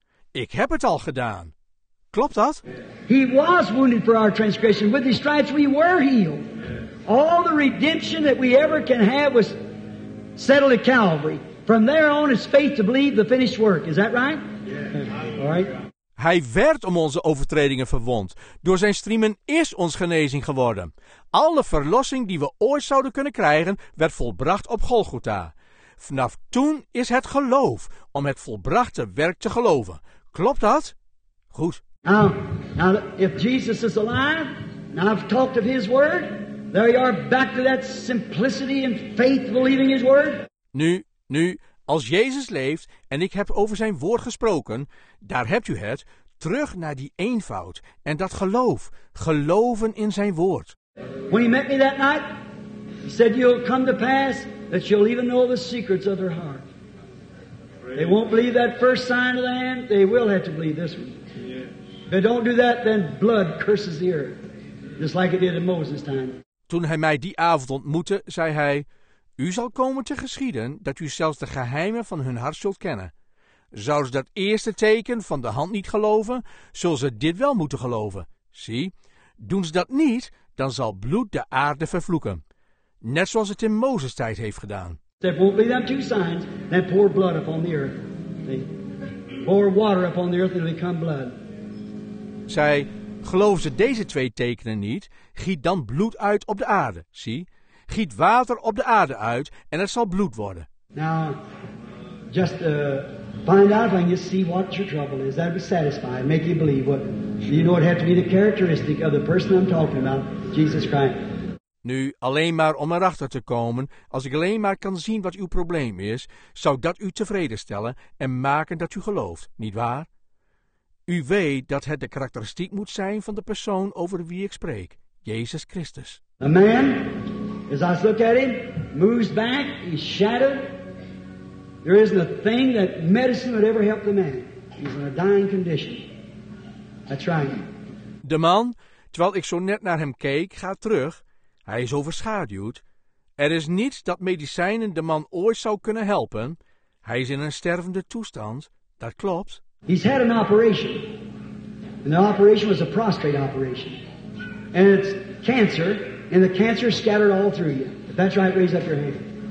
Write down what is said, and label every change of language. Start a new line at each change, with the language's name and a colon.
Dutch: Ik heb het al gedaan. Klopt dat?
English: He was wounded for our transgression. With his stripes we were healed. All the redemption that we ever can have was settled at Calvary. From there on is faith to believe the finished work. Is that right? Yeah. All right.
Dutch: Hij werd om onze overtredingen verwond. Door zijn striemen is ons genezing geworden. Alle verlossing die we ooit zouden kunnen krijgen werd volbracht op Golgotha. Vanaf toen is het geloof om het volbrachte werk te geloven. Klopt dat? Goed.
English: Now, if Jesus is alive, and I've talked of his word, there you are back to that simplicity and faith believing his word.
Dutch: Nu, als Jezus leeft en ik heb over zijn woord gesproken, daar hebt u het, terug naar die eenvoud en dat geloof, geloven in zijn woord.
English: When he met me that night, he said, you'll come to pass that you'll even know the secrets of their heart. They won't believe that first sign of the hand. They will have to believe this one. If they don't do that, then blood curses the earth. Just like it did in Moses' time.
Dutch: Toen hij mij die avond ontmoette, zei hij, u zal komen te geschieden dat u zelfs de geheimen van hun hart zult kennen. Zouden ze dat eerste teken van de hand niet geloven, zullen ze dit wel moeten geloven. Zie, doen ze dat niet, dan zal bloed de aarde vervloeken. Net zoals het in Mozes' tijd heeft gedaan.
English: There won't be them two signs, then pour blood upon the earth. They pour water upon the earth and it'll become blood.
Dutch: Zij, geloven ze deze twee tekenen niet, giet dan bloed uit op de aarde. Zie, giet water op de aarde uit en het zal bloed worden.
English: Now, just find out when you see what your trouble is. That would satisfy, make you believe. What, you know, it had to be the characteristic of the person I'm talking about, Jesus Christ.
Dutch: Nu, alleen maar om erachter te komen, als ik alleen maar kan zien wat uw probleem is, zou dat u tevreden stellen en maken dat u gelooft, nietwaar? U weet dat het de karakteristiek moet zijn van de persoon over wie ik spreek, Jezus Christus.
English: A man, as I look at him, moves back, he's shattered. There isn't a thing that medicine would ever help the man. He's in a dying condition. That's right.
Dutch: De man, terwijl ik zo net naar hem keek, gaat terug. Hij is overschaduwd. Er is niets dat medicijnen de man ooit zou kunnen helpen. Hij is in een stervende toestand. Dat klopt.
English: He's had an operation. And the operation was a prostate operation. And it's cancer. And the cancer is scattered all through you. If that's right, raise up your hand.